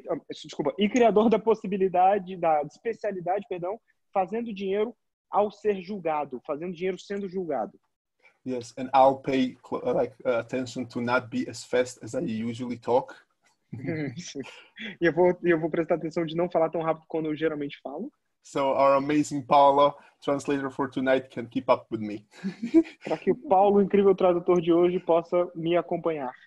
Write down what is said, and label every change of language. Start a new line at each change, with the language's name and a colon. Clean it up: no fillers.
Portuguese: desculpa, e criador da possibilidade, da especialidade, perdão, fazendo dinheiro ao ser julgado, fazendo dinheiro sendo julgado.
English: Yes, and I'll pay attention to not be as fast as I usually talk.
Portuguese: Eu vou prestar atenção de não falar tão rápido quando eu geralmente falo.
English: So our amazing Paula, translator for tonight, can keep up with me.
Portuguese: Para que o Paulo, incrível tradutor de hoje, possa me acompanhar.